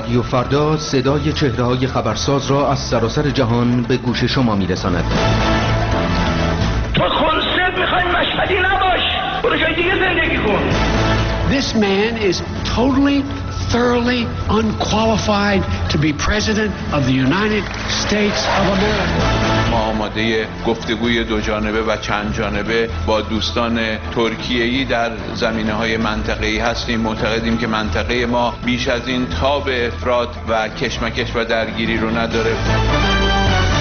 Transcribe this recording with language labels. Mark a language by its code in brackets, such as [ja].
[fa] فردا صدای چهره های خبرساز را از سراسر جهان به گوش شما می رساند. تو خلصه میخوایی مشهدی نباش، برو جای دیگه زندگی کن. [en] This man is totally thoroughly unqualified to be president of the United States of America. [fa] ما آماده گفتگوی دو جانبه و چند جانبه با دوستان ترکیه‌ای در زمینه‌های منطقه‌ای هستیم. معتقدیم که منطقه ما بیش از این تاب افراد و کشمکش و درگیری رو نداره.